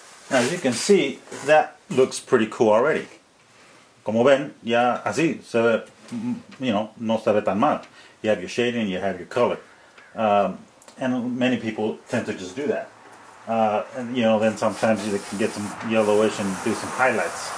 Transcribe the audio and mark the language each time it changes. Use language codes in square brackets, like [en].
[en] As you can see, that looks pretty cool already. [es] Como ven, ya así se ve, no se ve tan mal. [en] You have your shading, you have your color. And many people tend to just do that. Then sometimes you can get some yellowish and do some highlights.